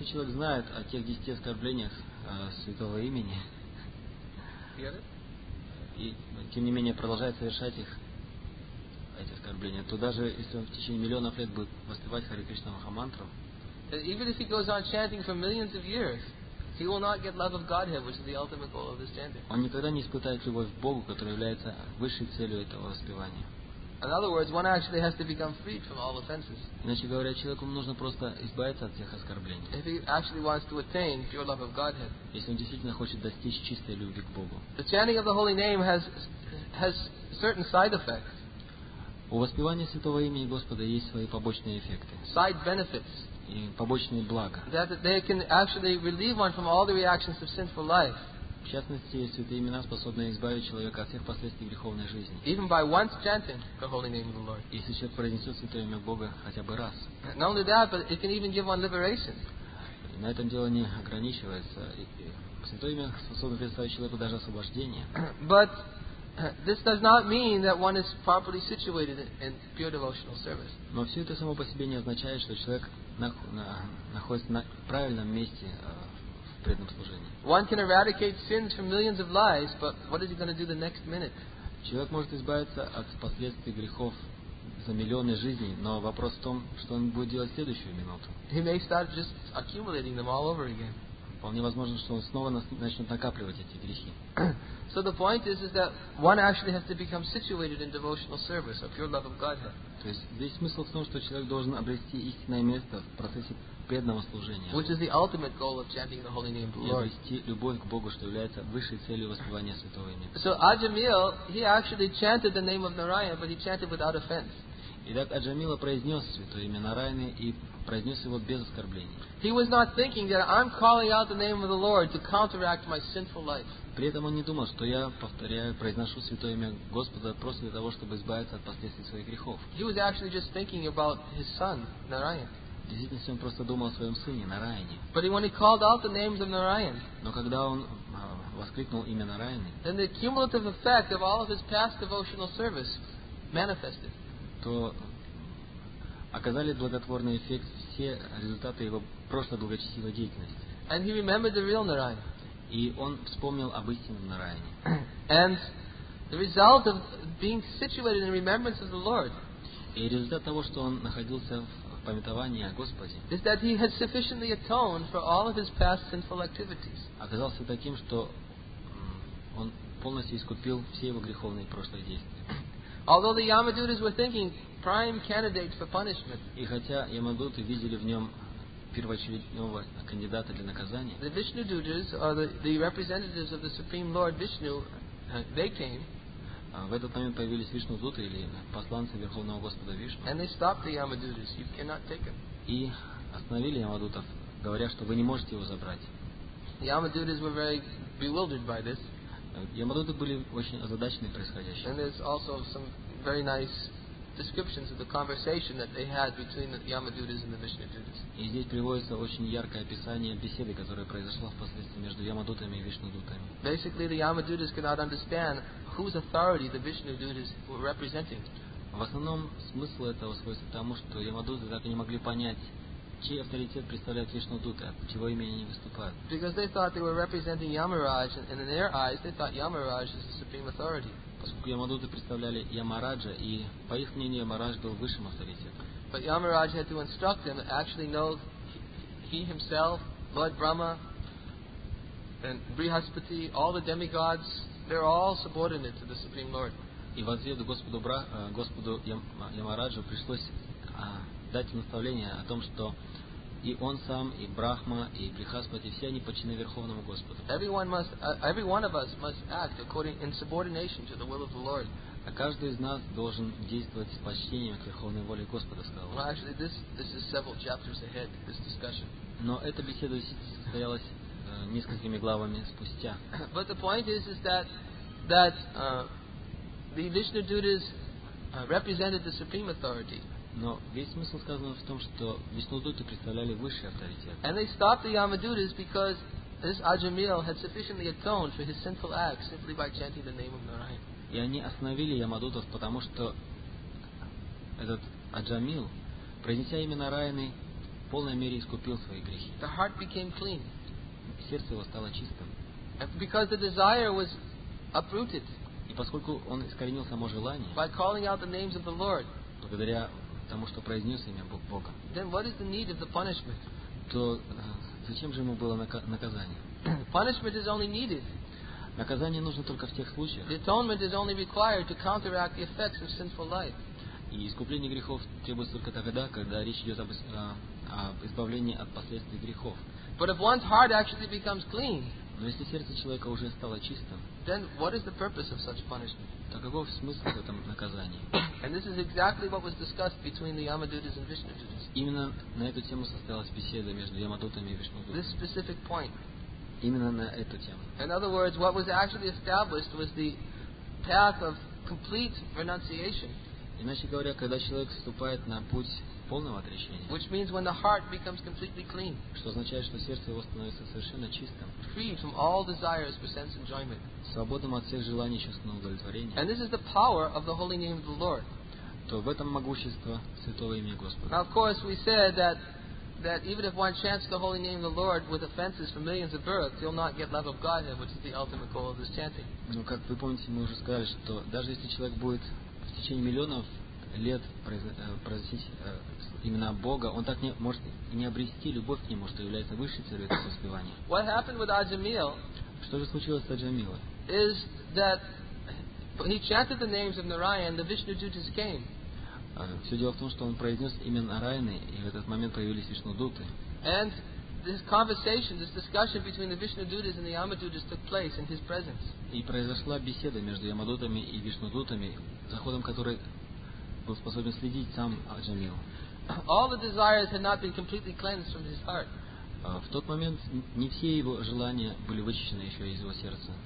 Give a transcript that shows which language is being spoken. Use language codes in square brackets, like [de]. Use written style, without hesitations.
[ru] Если человек знает о тех 10 оскорблениях святого имени, и тем не менее продолжает совершать их, эти оскорбления, то даже если он в течение миллионов лет будет воспевать Хари Кришна Маха Мантру, [en] even if he goes on chanting for millions of years, he will not get love of Godhead, which is the ultimate goal of this chanting. [ru] Он никогда не испытает любовь к Богу, которая является высшей целью этого воспевания. [en] In other words, one actually has to become freed from all offenses. [ru] Иначе говоря, человеку нужно просто избавиться от всех оскорблений. [en] If he actually wants to attain pure love of Godhead. [ru] Если он действительно хочет достичь чистой любви к Богу. [en] The chanting of the holy name has certain side effects. [ru] У воспевания святого имени Господа есть свои побочные эффекты. [en] Side benefits. [ru] И побочные блага. [en] That they can actually relieve one from all the reactions of sinful life. [ru] В частности, святые имена способны избавить человека от всех последствий греховной жизни. [en] Even by once chanting the holy name of the Lord. [ru] Если человек произнесет святое имя Бога хотя бы раз. [en] Not only that, but it can even give one liberation. [ru] И на этом дело не ограничивается. Святое имя способно предоставить человеку даже освобождение. [en] But this does not mean that one is properly situated in pure devotional service. [ru] Но все это само по себе не означает, что человек находится на правильном месте в преданном служении. [en] One can eradicate sins from millions of lives, but what is he going to do the next minute? [ru] Человек может избавиться от последствий грехов за миллионы жизней, но вопрос в том, что он будет делать в следующую минуту. [en] He may start just accumulating them all over again. [ru] Вполне возможно, что он снова начнет накапливать эти грехи. [en] So the point is that one actually has to become situated in devotional service, a pure love of Godhead. [ru] То есть здесь смысл в том, что человек должен обрести истинное место в процессе преданного служения. [en] Which is the ultimate goal of chanting the holy name of the Lord. [ru] И обрести любовь к Богу, что является высшей целью воспевания святого имени. [en] So Ajamil, he actually chanted the name of Narayan, but he chanted without offense. [ru] Итак, Аджамила произнес святое имя Нараяны и произнес его без оскорблений. [en] He was not thinking that I'm calling out the name of the Lord to counteract my sinful life. [ru] При этом он не думал, что я повторяю, произношу святое имя Господа просто для того, чтобы избавиться от последствий своих грехов. [en] He was actually just thinking about his son, Narayan. [ru] Действительно, он просто думал о своем сыне Нараяне. [en] But when he called out the names of Narayan, [ru] но когда он воскликнул имя Нараяны, [en] then the cumulative effect of all of his past devotional service manifested. [ru] То оказали благотворный эффект все результаты его прошлой благочестивой деятельности. [en] And he remembered the real Narayan. [ru] И он вспомнил об истинном Нараяне. [en] And the result of being situated in remembrance of the Lord. [ru] И результат того, что он находился в памятовании о Господе. [en] Is that he has sufficiently atoned for all of his past sinful activities. [ru] Оказался таким, что он полностью искупил все его греховные прошлые действия. [en] Although the Yamadutas were thinking prime candidate for punishment, [ru] и хотя Ямадуты видели в нем первоочередного кандидата для наказания, [en] the Vishnudutas, or the representatives of the Supreme Lord Vishnu, they came. [ru] В этот момент появились Вишнудуты или посланцы Верховного Господа Вишну. [en] And they stopped the Yamadutas. You cannot take him. [ru] И остановили Ямадутов, говоря, что вы не можете его забрать. [en] The Yamadutas were very bewildered by this. [ru] Ямадуты были очень озадачены происходящим. [en] And there's also some very nice descriptions of the conversation that they had between the Yamadutas and the Vishnudutas. [ru] И здесь приводится очень яркое описание беседы, которая произошла впоследствии между Ямадутами и Вишнудутами. [en] Basically, the Yamadutas could not understand whose authority the Vishnudutas were representing. [ru] В основном смысл этого сводится к тому, что Ямадуты так и не могли понять, чей авторитет представляют Вишнудуты, от чего имени они выступают. [en] Because they thought they were representing Yamaraj, and in their eyes, they thought Yamaraj is the supreme authority. [ru] Поскольку Ямадуты представляли Ямараджа, и по их мнению Ямарадж был высшим авторитетом. [en] But Yamaraj had to instruct them, actually know he himself, Lord Brahma, and Brihaspati, all the demigods, they're all subordinate to the supreme Lord. [ru] И в ответ Господу Господу Ямараджу пришлось дать наставление о том, что и он сам, и Брахма, и Брихаспати, все они подчинены Верховному Господу. [en] Every one of us must act according in subordination to the will of the Lord. [ru] А каждый из нас должен действовать с подчинением к Верховной воле Господа, сказал. [en] Well, actually, this is several chapters ahead, this discussion. [ru] Но эта беседа состоялась несколькими главами спустя. [en] But the point is that the Vishnudutas represented the supreme authority. [ru] Но весь смысл сказан в том, что Вишнудуты представляли высший авторитет. [en] And they stopped the Yamadutas because this Ajamil had sufficiently atoned for his sinful acts simply by chanting the name of Narayan. [ru] И они остановили Ямадутов, потому что этот Аджамил, произнеся имя Нараяны, в полной мере искупил свои грехи. [en] The heart became clean. [ru] Сердце его стало чистым. [en] Because the desire was uprooted. [ru] И поскольку он искоренил само желание, [en] by calling out the names of the Lord, [ru] благодаря потому что произнес имя Бога, [en] then what is the need of the punishment? [ru] То зачем же ему было наказание? [en] Punishment is only needed. [ru] Наказание нужно только в тех случаях. [en] The atonement is only required to counteract the effects of sinful life. [ru] И искупление грехов требуется только тогда, когда речь идет об избавлении от последствий грехов. [en] But if one's heart actually becomes clean, [ru] но если сердце человека уже стало чистым, [en] then what is the purpose of such punishment? [ru] То каков смысл в этом наказании? [en] And this is exactly what was discussed between the Yamadutas and Vishnudutas. [ru] Именно на эту тему состоялась беседа между Ямадутами и Вишнудутами. [en] This specific point. [ru] Именно на эту тему. [en] In other words, what was actually established was the path of complete renunciation. [ru] Иначе говоря, когда человек вступает на путь полного отречения. [en] Which means when the heart becomes completely clean. [ru] Что означает, что сердце его становится совершенно чистым. [en] Free from all desires for sense enjoyment. [ru] Свободным от всех желаний чувственного удовлетворения. [en] And this is the power of the holy name of the Lord. [ru] То в этом могущество святого имени Господа. [en] Now, of course, we said that that even if one chants the holy name of the Lord with offenses for millions of births, you'll not get love of Godhead, which is the ultimate goal of this chanting. [ru] Ну, как вы помните, мы уже сказали, что даже если человек будет в течение миллионов лет произносить имена Бога, он так не может не обрести любовь к нему, что является высшей целью этого воспевания. [en] What happened with Ajamil? [ru] Что же случилось с Аджамилой? [en] Is that he chanted the names of Narayan, the Vishnu dutas came. [ru] Все дело в том, что он произнес имя Нараяны, и в этот момент появились Вишну дуты. [en] And this conversation, this discussion between the Vishnu dutas and the Yamadutas took place in his presence. [ru] И произошла беседа между Ямадутами и Вишну дутами, за ходом которой был способен следить сам Аджамил. [en] All the desires had not been completely cleansed from his heart. [ru] В тот момент не все его желания были вычищены еще из его сердца.